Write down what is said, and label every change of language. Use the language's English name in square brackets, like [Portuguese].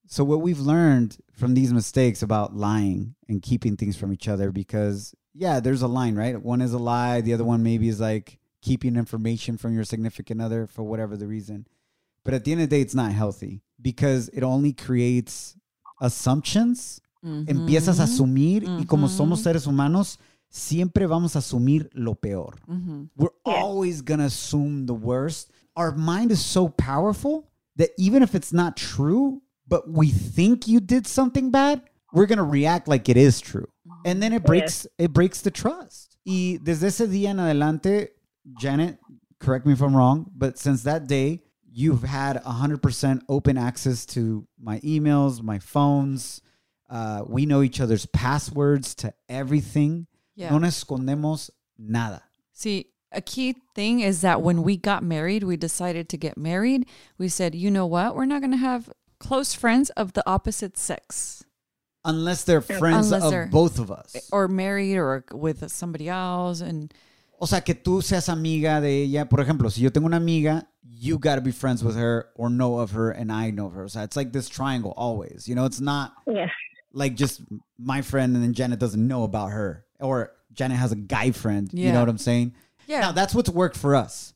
[English] So what we've learned from these mistakes about lying and keeping things from each other, because yeah, there's a line, right? One is a lie. The other one maybe is like, keeping information from your significant other for whatever the reason. But at the end of the day, it's not healthy because it only creates assumptions. [Spanish] Mm-hmm. Empiezas a asumir. Mm-hmm. Y como somos seres humanos, siempre vamos a asumir lo peor. [English] Mm-hmm. We're always going to assume the worst. Our mind is so powerful that even if it's not true, but we think you did something bad, we're going to react like it is true. And then it breaks the trust. [Spanish] Y desde ese día en adelante... [English] Janet, correct me if I'm wrong, but since that day, you've had 100% open access to my emails, my phones. We know each other's passwords to everything. Yeah. [Spanish] No escondemos nada. Sí, [English] a key thing is that when we got married, we decided to get married. We said, you know what? We're not going to have close friends of the opposite sex. Unless they're friends of both of us. Or married or with somebody else. And [Spanish] o sea, que tú seas amiga de ella. Por ejemplo, si yo tengo una amiga, [English] you got to be friends with her or know of her and I know of her. So it's like this triangle always. You know, it's not like just my friend and then Janet doesn't know about her. Or Janet has a guy friend. Yeah. You know what I'm saying? Yeah. Now, that's what's worked for us.